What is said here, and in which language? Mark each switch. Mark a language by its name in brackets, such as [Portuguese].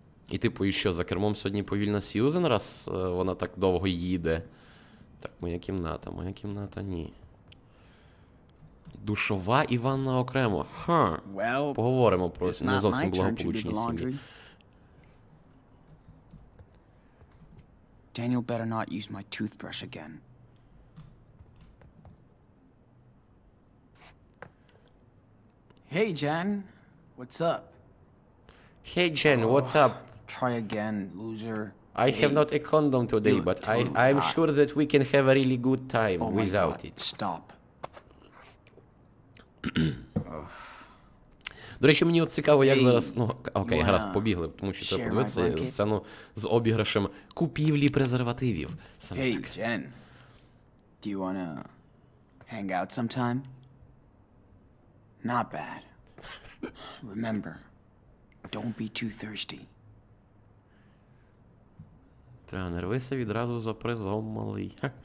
[Ukrainian] І типу, і що, за кермом сьогодні повільна Сьюзен, раз вона так довго їде? Так, моя кімната, ні. Душова і ванна окремо. Ха, well, поговоримо про не зовсім благополучні сім'ї. [English] Daniel better not use my toothbrush again. Hey, Jen, what's up? Hey, Jen, what's up? Try again, loser. I have not a condom today, but I'm sure that we can have a really good time without it. Stop. [Ukrainian] До речі, мені от цікаво, як зараз... Ну, окей, гаразд, побігли, тому що треба подивитися сцену з обіграшем купівлі презервативів. [English] Hey, Jen. Do you wanna hang out sometime? Not bad. Remember, don't be too thirsty. [Ukrainian] Та, не рвися відразу за призом, малий.